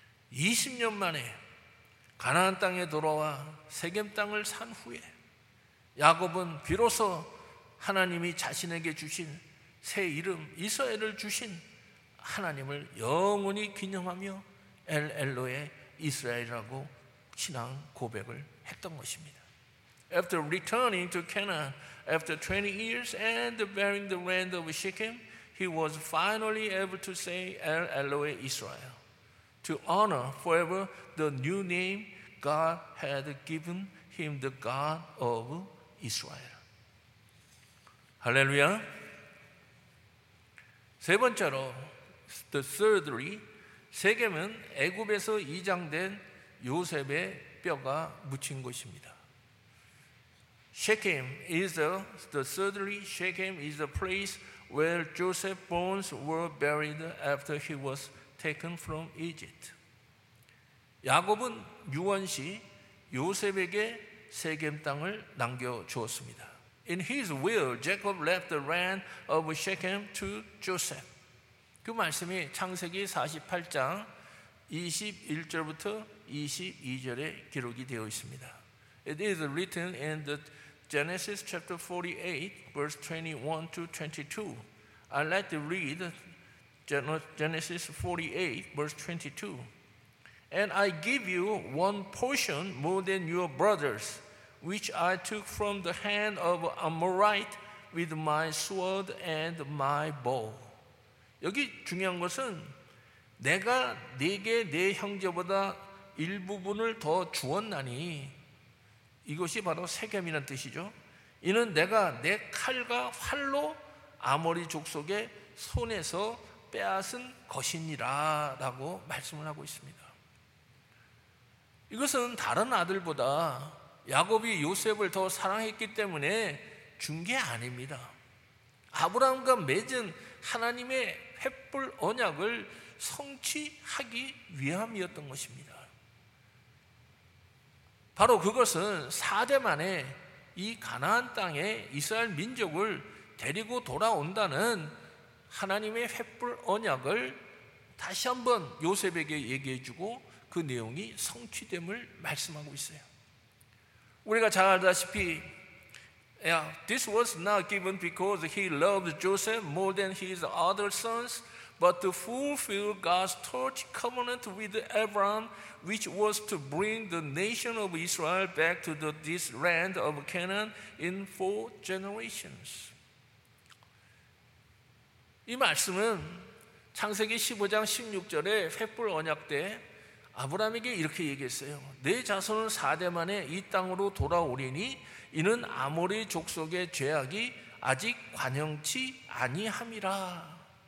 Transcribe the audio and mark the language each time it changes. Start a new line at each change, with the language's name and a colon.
Korean: 20년 만에 가나안 땅에 돌아와 세겜 땅을 산 후에 야곱은 비로소 하나님이 자신에게 주신 새 이름 이스라엘을 주신 하나님을 영원히 기념하며 엘 엘로의 이스라엘이라고 신앙 고백을 했던 것입니다.
English: After returning to Canaan after 20 years and bearing the land of Shechem, he was finally able to say El Eloi Israel to honor forever the new name God had given him, the God of Israel. Hallelujah.
Korean: 세 번째로,
English: the thirdly,
Korean: 세겜은 애굽에서 이장된 요셉의 뼈가 묻힌 곳입니다.
English: Shechem is the thirdly. Shechem is the place where Joseph's bones were buried after he was taken from Egypt.
Korean: 야곱은 유언 시 요셉에게 세겜 땅을 남겨 주었습니다.
English: In his will, Jacob left the land of Shechem to Joseph.
Korean: 그 말씀이 창세기 48장 21절부터 22절에 기록이 되어 있습니다.
English: It is written in the Genesis chapter 48, verse 21 to 22. I'd like to read Genesis 48, verse 22. And I give you one portion more than your brothers, which I took from the hand of Amorite with my sword and my bow.
Korean: 여기 중요한 것은 내가 네게 네 형제보다 일부분을 더 주었나니 이것이 바로 세겜이란 뜻이죠. 이는 내가 내 칼과 활로 아모리 족속의 손에서 빼앗은 것이니라 라고 말씀을 하고 있습니다. 이것은 다른 아들보다 야곱이 요셉을 더 사랑했기 때문에 준 게 아닙니다. 아브라함과 맺은 하나님의 횃불 언약을 성취하기 위함이었던 것입니다. 바로 그것은 4대 만에 이 가나안 땅에 이스라엘 민족을 데리고 돌아온다는 하나님의 횃불 언약을 다시 한번 요셉에게 얘기해 주고 그 내용이 성취됨을 말씀하고 있어요. 우리가 잘 알다시피
English: This was not given because he loved Joseph more than his other sons, but to fulfill God's torch covenant with Abraham, which was to bring the nation of Israel back to this land of Canaan in four generations.
Korean: 이 말씀은 창세기 15장 16절에 횃불 언약 때 아브라함에게 이렇게 얘기했어요. 내 자손은 4대 만에 이 땅으로 돌아오리니 이는 아모리 족속의 죄악이 아직 관영치 아니함이라.